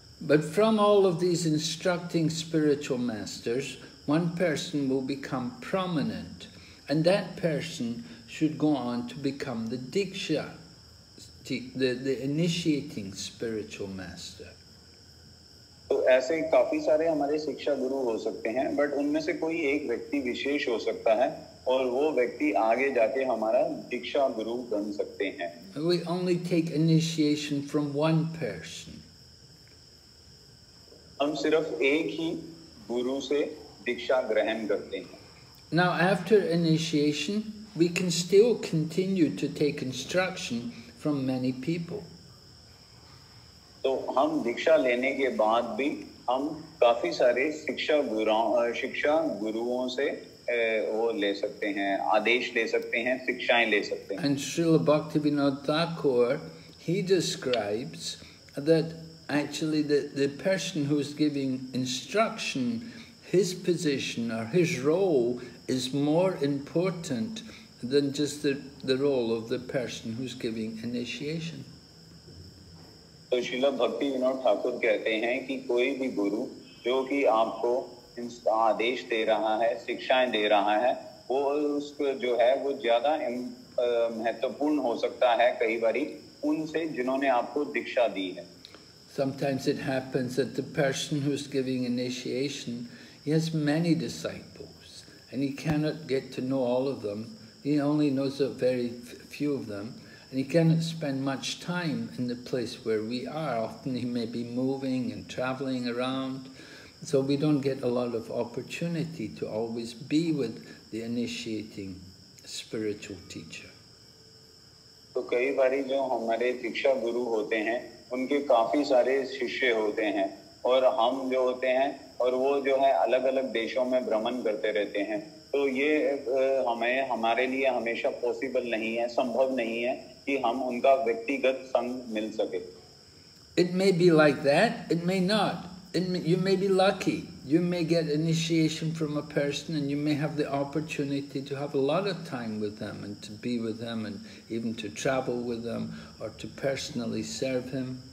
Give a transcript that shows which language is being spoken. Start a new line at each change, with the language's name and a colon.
English: But from all of these instructing spiritual masters, one person will become prominent, and that person should go on to become the diksha, the initiating spiritual master.
Hindi: So, ऐसे काफी सारे हमारे शिक्षा गुरु हो सकते हैं, but उनमें से कोई एक व्यक्ति विशेष हो सकता है, और वो व्यक्ति आगे जाके हमारा दीक्षा गुरु बन सकते हैं.
English: We only take initiation from one person.
Hindi: हम सिर्फ एक ही गुरु से दीक्षा ग्रहण करते हैं.
English: Now, after initiation, we can still continue to take instruction from many people.
Hindi: तो हम दीक्षा लेने के बाद भी हम काफी सारे शिक्षा गुरुओं से वो ले सकते हैं, आदेश ले सकते हैं, शिक्षाएं ले सकते हैं.
English: And Srila Bhaktivinoda Thakur, he describes that actually the person who is giving instruction, his position or his role is more important than just the role of the person who's giving initiation.
Hindi: So Srila Bhakti Vinod Thakur कहते हैं कि कोई भी गुरु जो कि आपको आदेश दे रहा है, शिक्षाएं दे रहा है, वो उसको जो है वो ज्यादा महत्वपूर्ण हो सकता है कई बारी उनसे जिन्होंने आपको दीक्षा दी है.
English: Sometimes it happens that the person who's giving initiation, he has many disciples and he cannot get to know all of them. He only knows a very few of them, and he cannot spend much time in the place where we are. Often he may be moving and traveling around, so we don't get a lot of opportunity to always be with the initiating spiritual teacher.
Hindi: So, कई बारी जो हमारे शिक्षा गुरु होते हैं, उनके काफी सारे शिष्य होते हैं, और हम जो होते हैं, और वो जो है अलग-अलग देशों में भ्रमण करते रहते हैं. तो ये हमें हमारे लिए हमेशा पॉसिबल नहीं है, संभव नहीं है कि हम उनका व्यक्तिगत संग मिल सके.
English: It may be like that, it may not. You may be lucky. You may get initiation from a person and you may have the opportunity to have a lot of time with them and to be with them and even to travel with them or to personally serve him.